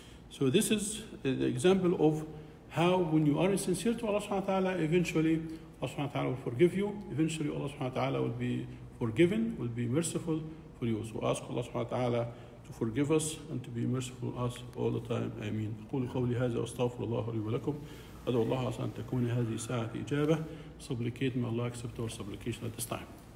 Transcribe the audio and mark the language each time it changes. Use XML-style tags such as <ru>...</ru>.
<en>So this is the example of how when you are sincere to Allah subhanahu wa ta'ala, eventually Allah subhanahu wa ta'ala will forgive you. Eventually Allah subhanahu wa ta'ala will be forgiven, will be merciful for you. So ask Allah subhanahu wa ta'ala to forgive us and to be merciful to us all the time. Ameen.</en> <ar>أقول قولي هذا وأستغفر الله لي ولكم. أدعو الله عسى أن تكون هذه ساعة إجابة.</ar> <en>Supplicate, may Allah accept our supplication at this time.</en>